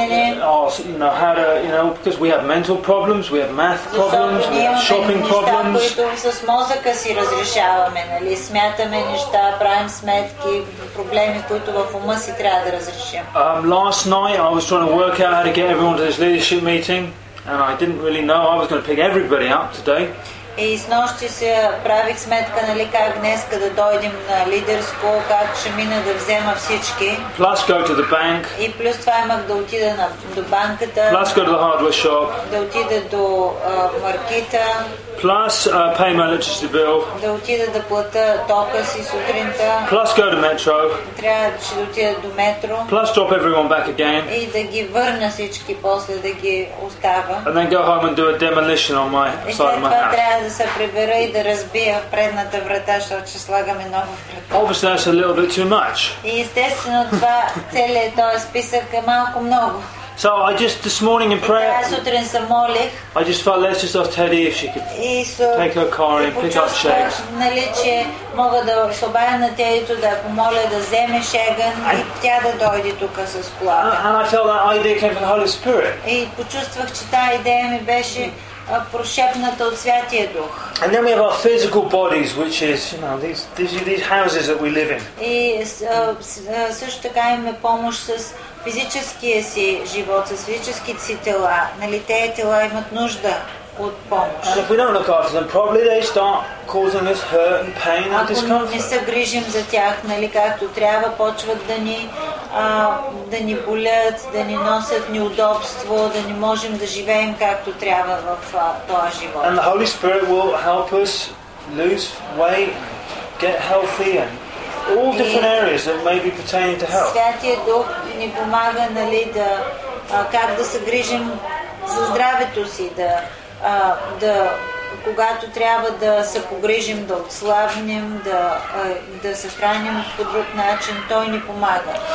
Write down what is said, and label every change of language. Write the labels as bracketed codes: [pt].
[en] Oh, so, you know, because we have mental problems, we have math problems, we have shopping problems. [bg] С мозъка си разрешаваме, нали? Смятаме неща, правим сметки, проблеми, които в ума си трябва да разрешим. [en] Last night I was trying to work out how to get everyone to this leadership meeting, and I didn't really know I was going to pick everybody up today. [bg] И снощи се правих сметка, нали, как днеска да дойдем на лидерско, как ще мина да взема всички. [en] Plus go to the bank. [bg] И плюс това имах да отида на, до банката. [en] Plus go to the hardware shop. [bg] Да отида до маркета. [en] Plus pay my electricity bill. [bg] Да отида да плата тока си сутринта. [en] Plus go to metro. [bg] Трябва ще да отида до метро. [en] Plus drop everyone back again. [bg] И да ги върна всички после, да ги остава. [en] And then go home and do a demolition on my side of my house. [bg] Да се прибера и да разбия предната врата, защото ще слагаме нова врата. [en] Obviously, that's a little bit too much. [bg] И естествено това целият този списък е малко много. [en] So I just this morning in prayer. [bg] Тази сутрин се молих. [en] I just felt let's just ask Teddy if she could take her car and pick up Shags. [bg] Нали, че мога да се обадя на Тедито да помоля да вземе Шеган и тя да дойде тук с кола. [en] And I felt that idea came from the Holy Spirit. [bg] И почувствах, че тази идея ми беше прошепната от Святия Дух. [en] And then we have our physical bodies, which is, you know, these houses that we live in. [bg] И също така имаме помощ с физическия си живот, с физическите си тела. Нали, тези тела имат нужда от помощ. [en] And if we don't look after them, probably they start causing us hurt and pain and discomfort. [bg] Ако не се грижим за тях, нали, както трябва, почват да ни да ни болят, да ни носят неудобство, да не можем да живеем както трябва в този живот. [en] And the Holy Spirit will help us lose weight, get healthy and all different areas that may be pertaining to health. [bg] Святия Дух ни помага, нали, да как да се грижим за здравето си, да да когато трябва да се погрижим, да отслабнем, да се храним по друг начин, той ни помага.